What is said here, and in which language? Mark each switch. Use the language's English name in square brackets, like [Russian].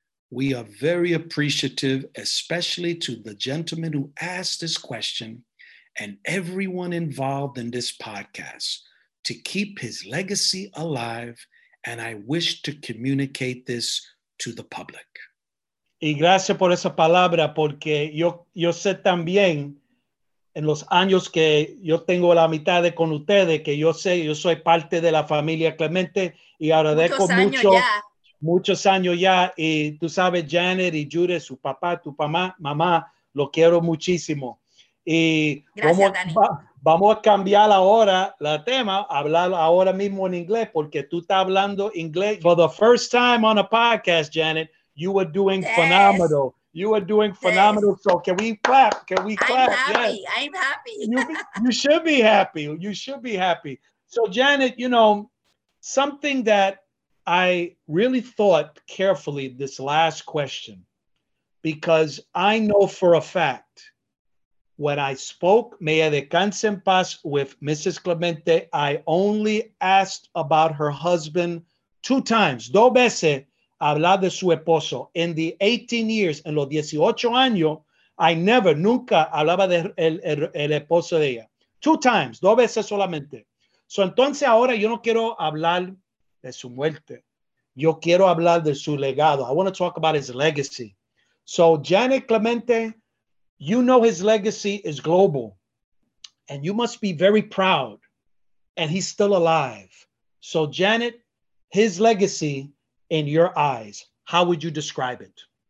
[English] We are very appreciative, especially to the gentleman who asked this question and everyone involved in this podcast to keep his legacy alive. And I wish to communicate this to the public. [Spanish] Y gracias por esa palabra, porque yo sé también en los años que yo tengo la mitad de con ustedes, que yo sé, yo soy parte de la familia Clemente y agradezco muchos años ya. Y tú sabes, Janet y Jude, su papá, tu mamá, lo quiero muchísimo. Y gracias, Dani. Vamos a cambiar ahora la tema, hablar ahora mismo en inglés, porque tú estás hablando inglés. [English] For the first time on a podcast, Janet, you were doing phenomenal. You were doing phenomenal. So can we clap? Can we clap? I'm happy. Yes. I'm happy. You should be happy. You should be happy. So Janet, you know, something that I really thought carefully, this last question, because I know for a fact, when I spoke, Maya de Cansen Paz, with Mrs. Clemente, I only asked about her husband two times. [Spanish] Dos veces. Hablar de su esposo. [English] In the 18 years, [Spanish] en los 18 años, [English] I never, [Spanish] nunca hablaba de el esposo de ella. [English] Two times, [Spanish] dos veces solamente. So, entonces, ahora yo no quiero hablar de su muerte. Yo quiero hablar de su legado. [English] I want to talk about his legacy. So, Janet Clemente, you know his legacy is global. And you must be very proud. And he's still alive. So, Janet, his legacy in your eyes, how would you describe it?